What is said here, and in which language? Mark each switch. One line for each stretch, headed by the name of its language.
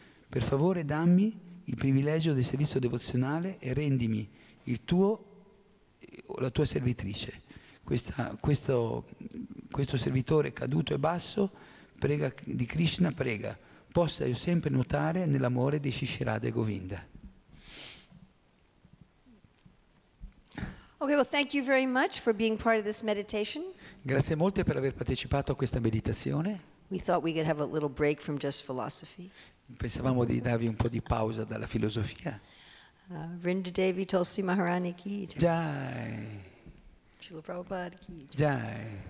Italian: Per favore, dammi il privilegio del servizio devozionale e rendimi la tua servitrice. Questo servitore caduto e basso prega di Krishna, prega possa io sempre nuotare nell'amore di Shishi Radha e Govinda.
English: Okay, well, thank you very much for being part of this meditation.
Italian: Grazie molte per aver partecipato a questa meditazione.
English: We thought we could have a little break from just philosophy.
Italian: Pensavamo di darvi un po' di pausa dalla filosofia.
Hindi: Vrinda Devi Tulsi Maharani ki jai. Srila Prabhupada ki jai.